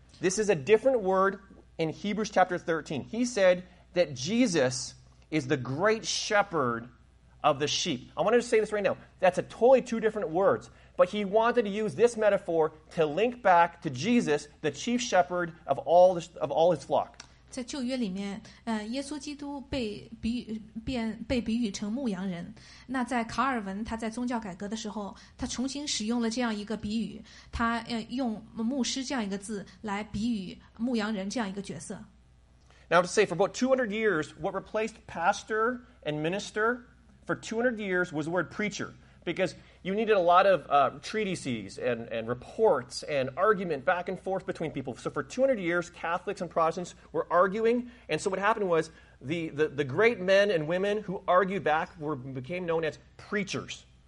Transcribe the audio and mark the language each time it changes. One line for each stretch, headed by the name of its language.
English: This is a different word in Hebrews chapter 13. He said that Jesus is the great shepherd of the sheep. I wanted to say this right now. That's a totally two different words. But he wanted to use this metaphor to link back to Jesus, the chief shepherd of all, of all his flock.
Chinese: 在旧约里面、耶稣基督被比喻变被比喻成牧羊人。那在卡尔文他在宗教改革的时候，他重新使用了这样一个比喻，他、用牧师这样一个字来比喻牧羊人这样一个角色。
English: Now to say, for about 200 years, what replaced pastor and minister for 200 years was the word preacher. Because you needed a lot of treatises and reports and argument back and forth between people. So for 200 years, Catholics and Protestants were arguing. And so what happened was the great men and women who argued back were became known as preachers.